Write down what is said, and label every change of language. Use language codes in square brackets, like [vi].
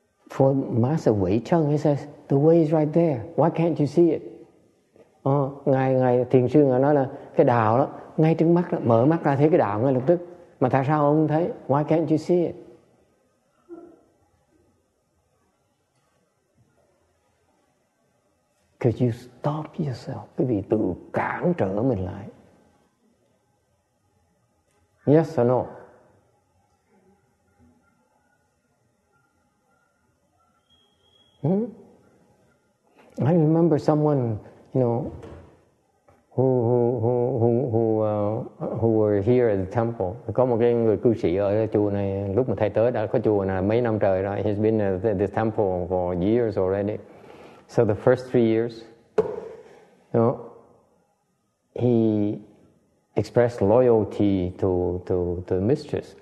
[en] For Master Wei Cheng, he says, the way is right there. Why can't you see it? [vi] Ngài thiền sư nói là cái đạo đó ngay trước mắt đó, mở mắt ra thấy cái đạo ngay lập tức. Mà tại sao ông thấy? [en] Why can't you see it? Because you stop yourself. [vi] Quý vị tự cản trở mình lại. [en] Yes or no? I remember someone, you know, who were here at the temple. [vi] Có một cái người cư sĩ ở chùa này, lúc mà thầy tới đã có chùa này mấy năm trời rồi. [en] He's been at the temple for years already. So the first 3 years, you know, he expressed loyalty to the mistress.